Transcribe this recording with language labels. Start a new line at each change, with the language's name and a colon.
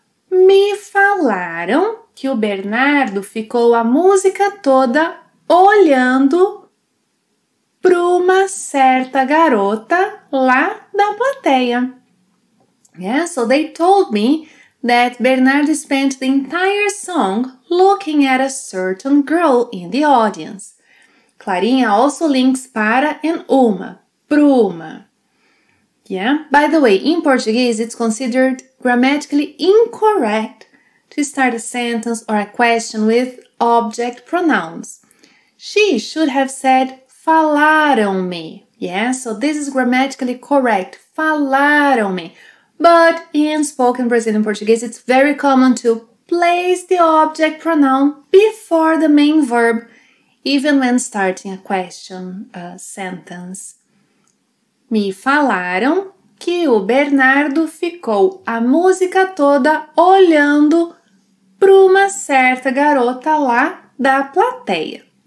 Portuguese: Me falaram que o Bernardo ficou a música toda olhando para uma certa garota lá da plateia.
English: Yeah, so they told me that Bernardo spent the entire song looking at a certain girl in the audience. Clarinha also links para and uma, pruma. Yeah? By the way, in Portuguese, it's considered grammatically incorrect to start a sentence or a question with object pronouns. She should have said, falaram-me. Yeah? So this is grammatically correct, falaram-me. But in spoken Brazilian Portuguese, it's very common to place the object pronoun before the main verb, even when starting a question, a sentence.
Portuguese: Me falaram que o Bernardo ficou a música toda olhando para uma certa garota lá da plateia.